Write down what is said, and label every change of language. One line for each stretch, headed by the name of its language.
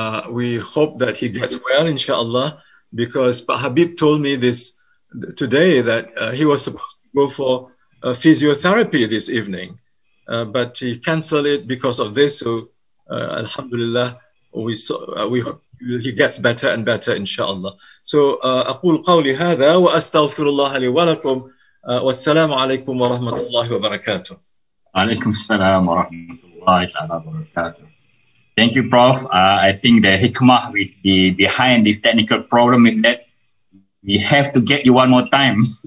English: We hope that he gets well, inshallah, because Habib told me this today that he was supposed to go for physiotherapy this evening, but he canceled it because of this. So, alhamdulillah, we hope he gets better and better, inshallah.
Arabic: So, أقول قولي هذا وأستغفر الله لي ولكم والسلام عليكم ورحمة الله وبركاته. عليكم السلام ورحمة الله تعالى وبركاته.
English: Thank you, Prof. I think the hikmah with the behind this technical problem is that we have to get you one more time.